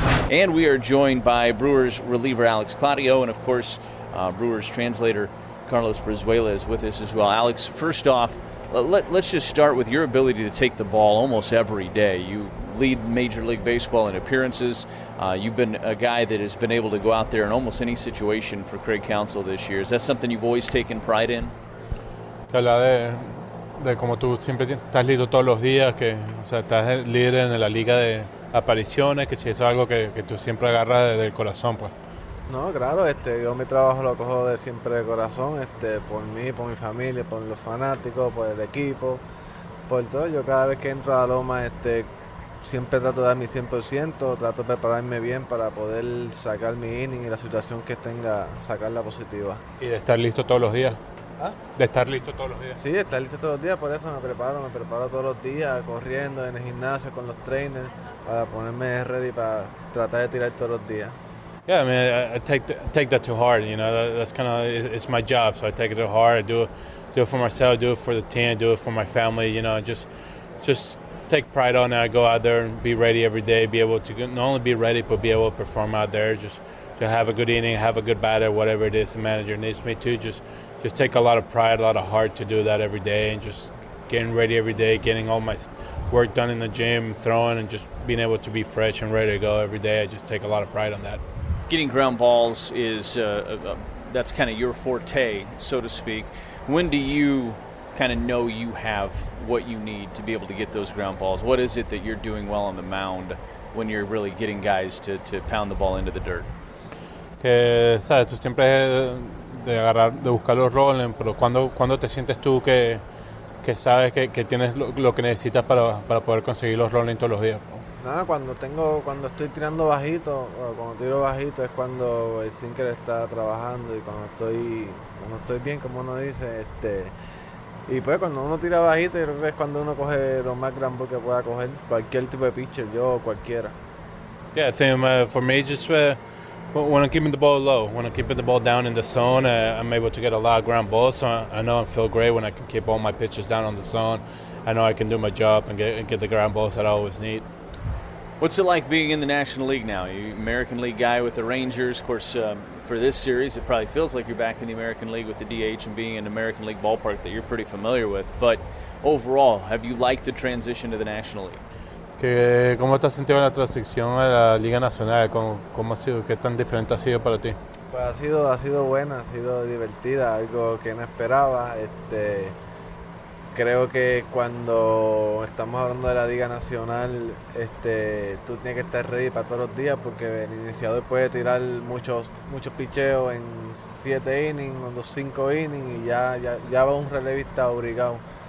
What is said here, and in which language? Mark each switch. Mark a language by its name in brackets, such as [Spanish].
[English] And we are joined by Brewers reliever Alex Claudio, and of course, Brewers translator Carlos Brizuela is with us as well. Alex, first off, let's just start with your ability to take the ball almost every day. You lead Major League Baseball in appearances. You've been a guy that has been able to go out there in almost any situation for Craig Counsell this year. Is that something you've always taken pride in? [Spanish] Claro, de como tú siempre estás listo todos los días, que o sea, estás líder en la liga de apariciones, que si eso es algo que tú siempre agarras desde el corazón, pues. No, claro, yo mi trabajo lo cojo de siempre de corazón, por mí, por mi familia, por los fanáticos, por el equipo, por todo. Yo cada vez que entro a la Loma, siempre trato de dar mi 100%, trato de prepararme bien para poder sacar mi inning y la situación que tenga, sacarla positiva. ¿Y de estar listo todos los días? ¿Ah? ¿De estar listo todos los días? Sí, de estar listo todos los días, por eso me preparo todos los días, corriendo en el gimnasio con los trainers, para ponerme ready para tratar de tirar todos los días. [English] Yeah, I mean, I take that to heart. You know, that's kind of it's my job, so I take it to heart. I do it for myself, do it for the team, do it for my family. You know, just take pride on it. I go out there and be ready every day, be able to not only be ready but be able to perform out there. Just to have a good inning, have a good batter, whatever it is the manager needs me to. Just take a lot of pride, a lot of heart to do that every day, and just getting ready every day, getting all my work done in the gym, throwing, and just being able to be fresh and ready to go every day. I just take a lot of pride on that. Getting ground balls is that's kind of your forte, so to speak. When do you kind of know you have what you need to be able to get those ground balls? What is it that you're doing well on the mound when you're really getting guys to pound the ball into the dirt? [Spanish] Que sabes, tú siempre de agarrar, de buscar los roles, pero cuando te sientes tú que sabes que tienes lo que necesitas para poder conseguir los roles todos los días. Nada, cuando estoy tirando bajito, o cuando tiro bajito es cuando el sinker está trabajando, y cuando estoy bien, como uno dice, y pues cuando uno tira bajito, yo creo que es cuando uno coge lo más ground ball que pueda coger, cualquier tipo de pitcher, yo o cualquiera. [English] Yeah, I think for me, just when I'm keeping the ball low, when I'm keeping the ball down in the zone, I'm able to get a lot of ground balls, so I know I feel great when I can keep all my pitches down on the zone. I know I can do my job and get the ground balls that I always need. What's it like being in the National League now? You American League guy with the Rangers. Of course, for this series, it probably feels like you're back in the American League with the DH and being in an American League ballpark that you're pretty familiar with. But overall, have you liked the transition to the National League? [Spanish] ¿Cómo te has sentido en la transición a la Liga Nacional? ¿Cómo ha sido? ¿Qué tan diferente ha sido para ti? Pues ha sido buena, ha sido divertida, algo que no esperaba. Creo que cuando estamos hablando de la Liga Nacional, tú tienes que estar ready para todos los días, porque el iniciador puede tirar muchos picheos en 7 innings, en 5 innings, y ya va un relevista obligado.